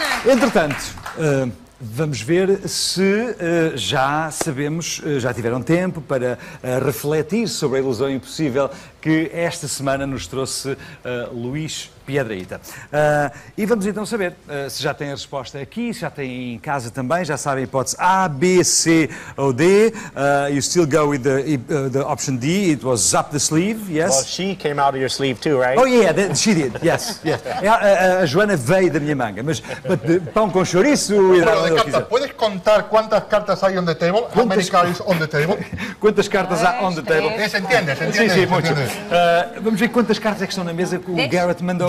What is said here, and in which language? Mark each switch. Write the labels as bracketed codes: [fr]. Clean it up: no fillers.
[pt] Entretanto, vamos ver se já sabemos, já tiveram tempo para refletir sobre a ilusão impossível que esta semana nos trouxe Luís Piedraíta. E vamos então saber se já têm a resposta aqui, se já têm em casa também, já sabem a hipótese A, B, C ou D. [en] You still go with the option D, it was up the sleeve, yes? Well, she came out of your sleeve too, right? Oh yeah, she did, yes. Yes. [pt] A Joana veio da minha manga, mas pão com chouriço... Podes contar quantas cartas há [en] on the table? [pt] Quantas... [en] How many cards on the table? [pt] Quantas cartas há [en] on the table? [pt] Entendes? Sim, sim, muito. Vamos ver quantas cartas é que estão na mesa que o Garrett mandou.